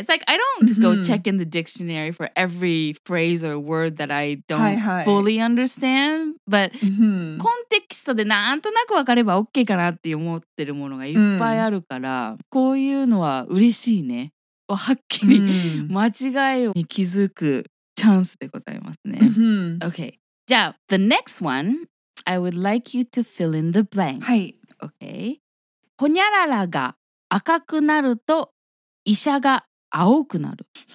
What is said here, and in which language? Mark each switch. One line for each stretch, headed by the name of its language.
English: It's like, I don't go check in the dictionary for every phrase or word that I don't fully understand.
Japanese: But コンテキストでなんとなくわかれば OK かなって思ってるものがいっぱいあるから、こういうのは嬉しいね。はっきり間違いに気づく。チャンスでございますね。 Mm-hmm.
English: Okay.
Japanese: じゃあ、
English: the next one, I would like you to fill in the blank.
Japanese: はい。
English: Okay.
Japanese: ほにゃららが赤くなると医者が青くなる。